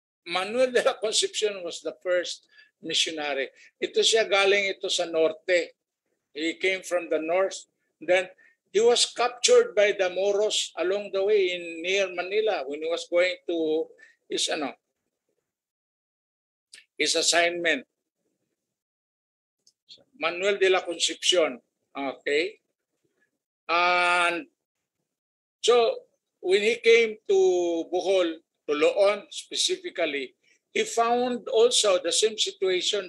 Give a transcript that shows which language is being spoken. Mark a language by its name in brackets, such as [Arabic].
[English] Manuel de la Concepcion was the first missionary. [Filipino] Ito siya galing ito sa norte. [English] He came from the north. Then he was captured by the Moros along the way in near Manila when he was going to his assignment. Manuel de la Concepcion. Okay. And so when he came to Bohol, to Loon specifically, he found also the same situation.